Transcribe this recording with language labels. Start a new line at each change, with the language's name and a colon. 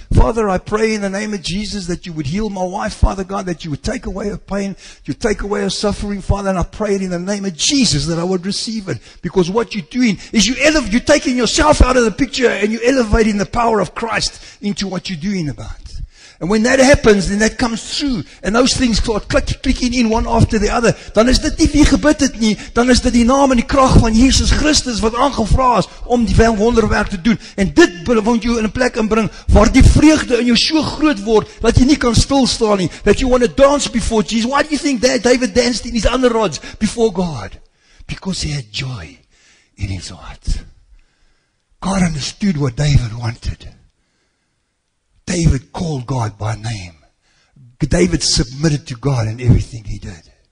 English: Father, I pray in the name of Jesus that you would heal my wife, Father God, that you would take away her pain, you take away her suffering, Father, and I pray it in the name of Jesus that I would receive it. Because what you're doing is you're taking yourself out of the picture and you're elevating the power of Christ into what you're doing about. And when that happens, then that comes through. And those things start clicking in one after the other.
Afrikaans: Dan is dit nie wie gebid het nie. Dan is dit die naam en die kracht van Jesus Christus wat aangevra is om die wonderwerk te doen. En dit want jou in een plek inbring waar die vreugde in jou so groot word dat jy nie kan stilstaan nie.
English: That you want to dance before Jesus. Why do you think that David danced in his underrods before God? Because he had joy in his heart. God understood what David wanted. David called God by name. David submitted to God in everything he did.